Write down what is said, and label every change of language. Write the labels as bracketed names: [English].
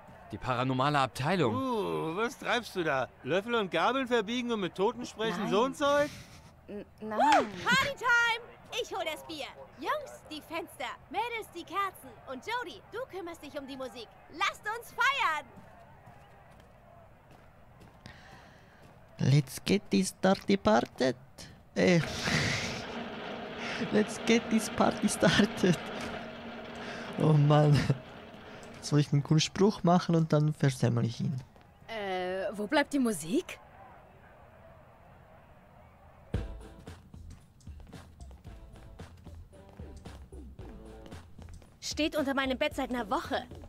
[German] Die paranormale Abteilung. Was treibst du da? Löffel und Gabeln verbiegen und mit Toten sprechen? Nein. So ein Zeug? Nein. Party Time! Ich hol das Bier. Jungs, die Fenster. Mädels, die Kerzen. Und Jodie, du kümmerst dich um die Musik. Lasst uns feiern! [English] Let's get this party started. Let's get this party started. [German] Oh Mann. Soll ich einen coolen Spruch machen und dann versemmel ich ihn? Wo bleibt die Musik? Steht unter meinem Bett seit einer Woche.